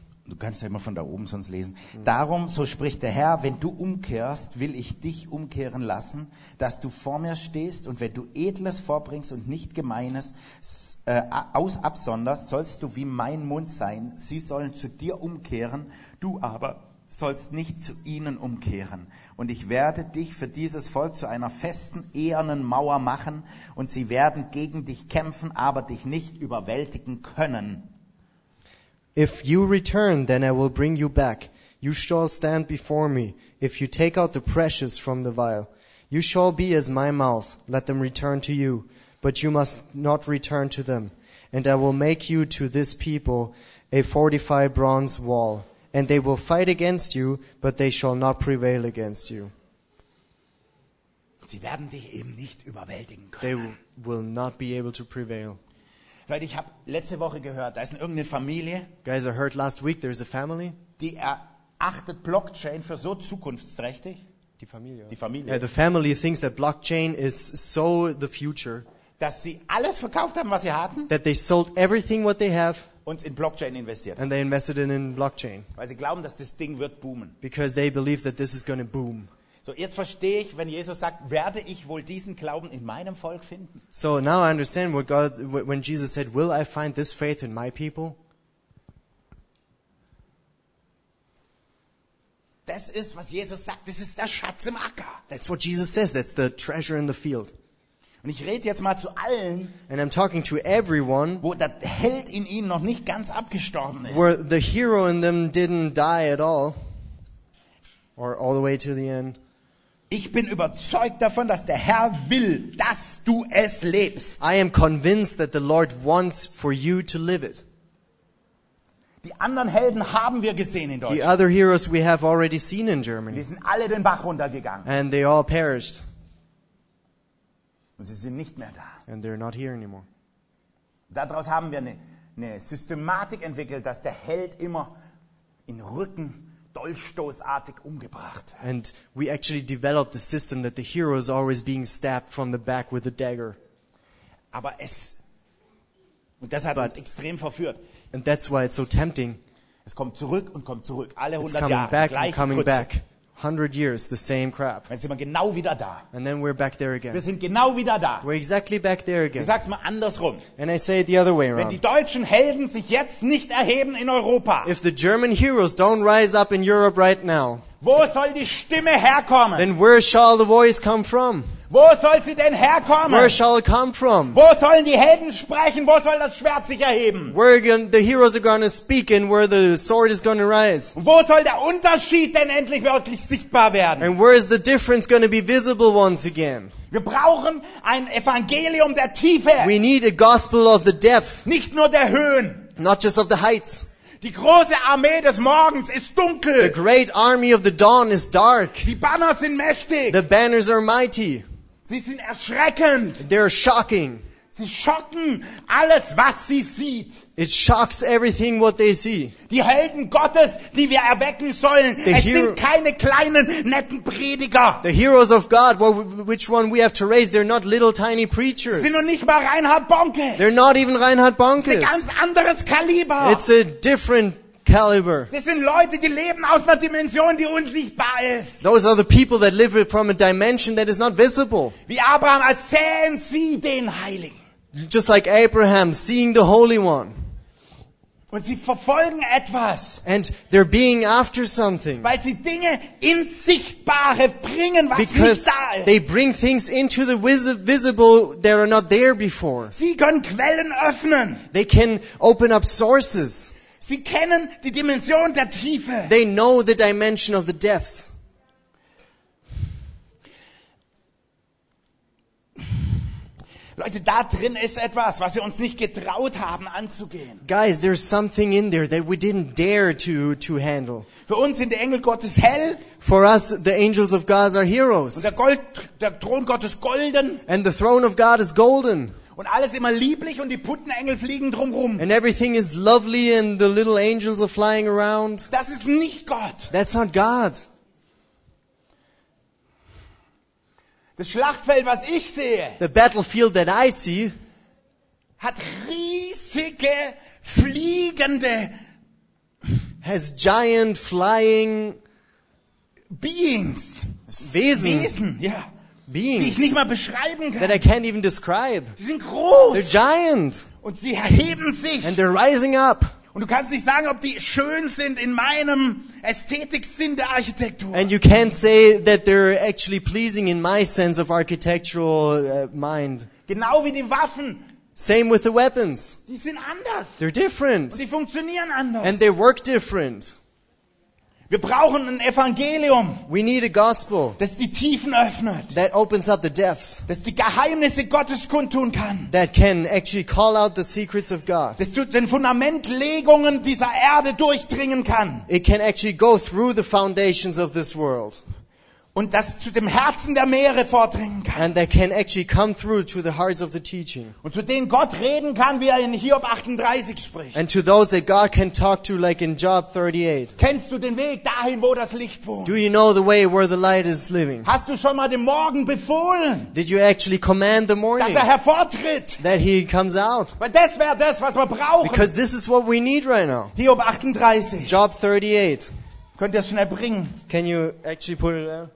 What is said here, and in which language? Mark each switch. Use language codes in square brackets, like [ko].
[de] Du kannst ja immer von da oben sonst lesen. Darum, so spricht der Herr, wenn du umkehrst, will ich dich umkehren lassen, dass du vor mir stehst und wenn du Edles vorbringst und nicht Gemeines absonderst, sollst du wie mein Mund sein. Sie sollen zu dir umkehren, du aber sollst nicht zu ihnen umkehren. Und ich werde dich für dieses Volk zu einer festen, ehernen Mauer machen und sie werden gegen dich kämpfen, aber dich nicht überwältigen können. [en] If you return, then I will bring you back. You shall stand before me, if you take out the precious from the vial. You shall be as my mouth, let them return to you, but you must not return to them. And I will make you to this people a fortified bronze wall, and they will fight against you, but they shall not prevail against you. [de] Sie werden dich eben nicht überwältigen können. [en] They will not be able to prevail. [de] Leute, ich habe letzte Woche gehört, da ist in irgendeine Familie. [en] Guys, I heard last week there is a family. [de] Die erachtet Blockchain für so zukunftsträchtig. Die Familie. Die Familie. [en] Yeah, the family thinks that blockchain is so the future. [de] Dass sie alles verkauft haben, was sie hatten. [en] That they sold everything what they have. [de] Und in Blockchain investiert. [en] And they invested in blockchain. [de] Weil sie glauben, dass das Ding wird boomen. [en] Because they believe that this is going to boom. [de] So, jetzt verstehe ich, wenn Jesus sagt, werde ich wohl diesen Glauben in meinem Volk finden? [en] So, now I understand what God, when Jesus said, will I find this faith in my people? [de] Das ist, was Jesus sagt. Das ist der Schatz im Acker. [en] That's what Jesus says. That's the treasure in the field. [de] Und ich rede jetzt mal zu allen, [en] and I'm talking to everyone, [de] wo der Held in ihnen noch nicht ganz abgestorben ist. [en] Where the hero in them didn't die at all. Or all the way to the end. [de] Ich bin überzeugt davon, dass der Herr will, dass du es lebst. [en] I am convinced that the Lord wants for you to live it. [de] Die anderen Helden haben wir gesehen in Deutschland. [en] The other heroes we have already seen in Germany. [de] Die sind alle den Bach runtergegangen. [en] And they all perished. [de] Und sie sind nicht mehr da. [en] And they're not here anymore. [de] Daraus haben wir eine Systematik entwickelt, dass der Held immer in Rücken dolchstoßartig umgebracht wird. [en] And we actually developed the system that the hero is always being stabbed from the back with a dagger. [de] Aber es, und das hat uns extrem verführt. [en] And that's why it's so tempting. [de] Es kommt zurück und kommt zurück. Alle 100 Jahre, gleich kurz. [en] It's coming back. 100 years, the same crap. [de] Jetzt sind wir genau wieder da. [en] And then we're back there again. [de] Wir sind genau wieder da. [en] We're exactly back there again. [de] Ich sag's mal andersrum. [en] And I say it the other way around. [de] Wenn die deutschen Helden sich jetzt nicht erheben in Europa. [en] If the German heroes don't rise up in Europe right now. [de] Wo soll die Stimme herkommen? [en] Then where shall the voice come from? [de] Wo soll sie denn herkommen? [en] Where shall it come from? [de] Wo sollen die Helden sprechen? Wo soll das Schwert sich erheben? [en] Where the heroes are going to speak and where the sword is going to rise? [de] Wo soll der Unterschied denn endlich wirklich sichtbar werden? [en] And where is the difference going to be visible once again? [de] Wir brauchen ein Evangelium der Tiefe. [en] We need a gospel of the depth. [de] Nicht nur der Höhen. [en] Not just of the heights. [de] Die große Armee des Morgens ist dunkel. [en] The great army of the dawn is dark. [de] Die Banner sind mächtig. [en] The banners are mighty. [de] Sie sind erschreckend. [en] They're shocking. [de] Sie schocken alles, was sie sieht. [en] It shocks everything what they see. [de] Die Helden Gottes, die wir erwecken sollen, the es sind keine kleinen netten Prediger. [en] The heroes of God, which one we have to raise, they're not little tiny preachers. [de] Sie sind noch nicht mal Reinhard Bonkes. [en] They're not even Reinhard Bonkes. [de] Das ist ein ganz anderes Kaliber. [en] It's a different caliber. [de] Das sind Leute, die leben aus einer Dimension, die unsichtbar ist. [en] Those are the people that live from a dimension that is not visible. [de] Wie Abraham, als sähen sie den Heiligen. [en] Just like Abraham, seeing the Holy One. [de] Und sie verfolgen etwas. [en] And they're being after something. [de] Weil sie Dinge ins Sichtbare bringen, was [en] because [de] nicht da ist. [en] They bring things into the visible that are not there before. [de] Sie können Quellen öffnen. [en] They can open up sources. [de] Sie kennen die Dimension der Tiefe. [en] They know the dimension of the depths. [de] Leute, da drin ist etwas, was wir uns nicht getraut haben anzugehen. [en] Guys, there's something in there that we didn't dare to handle. [de] Für uns sind die Engel Gottes hell. [en] For us, the angels of God are heroes. [de] Und der Thron Gottes golden. [en] And the throne of God is golden. [de] Und alles immer lieblich und die Puttenengel fliegen drumherum. [en] And everything is lovely and the little angels are flying around. [de] Das ist nicht Gott. [en] That's not God. [de] Das Schlachtfeld, was ich sehe, [en] the battlefield that I see, [de] hat riesige fliegende, [en] has giant flying beings, [de] Wesen, [en] yeah, beings, [de] die ich nicht mal beschreiben kann, [en] that I can't even describe. [de] Sie sind groß, [en] they're giant, [de] und sie erheben sich, [en] and they're rising up. [de] Und du kannst nicht sagen, ob die schön sind in meinem Ästhetiksinn der Architektur. [en] And you can't say that they're actually pleasing in my sense of architectural mind. [de] Genau wie die Waffen. [en] Same with the weapons. [de] Die sind anders. [en] They're different. [de] Und sie funktionieren anders. [en] And they work different. [de] Wir brauchen ein Evangelium. [en] We need a gospel. [de] Das die Tiefen öffnet. [en] That opens up the depths. [de] Das die Geheimnisse Gottes kundtun kann. [en] That can actually call out the secrets of God. [de] Das den Fundamentlegungen dieser Erde durchdringen kann. [en] It can actually go through the foundations of this world. [de] Und das zu dem Herzen der Meere vordringen kann. [en] And that can actually come through to the hearts of the teaching. [de] Und zu denen Gott reden kann, wie er in Hiob 38 spricht. [en] And to those that God can talk to, like in Job 38. [de] Kennst du den Weg dahin, wo das Licht wohnt? [en] Do you know the way where the light is living? [de] Hast du schon mal den Morgen befohlen? [en] Did you actually command the morning? [de] Dass er hervortritt. [en] That he comes out. [de] Weil das wäre das, was wir brauchen. [en] Because this is what we need right now. [de] Hiob 38. [en] Job 38. [de] Könnt ihr es schnell bringen? [en] Can you actually put it there?